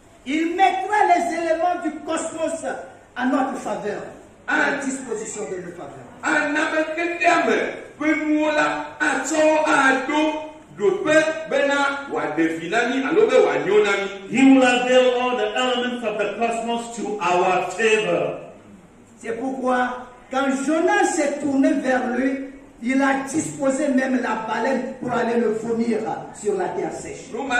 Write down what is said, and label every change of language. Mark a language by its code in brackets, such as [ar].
[fr] Il mettra les éléments du cosmos à notre faveur, à la disposition de nos faveurs. [en] He will avail all the elements of the cosmos to our favor. [fr] C'est pourquoi, quand Jonas s'est tourné vers lui, il a disposé même la baleine pour aller le vomir sur la terre sèche.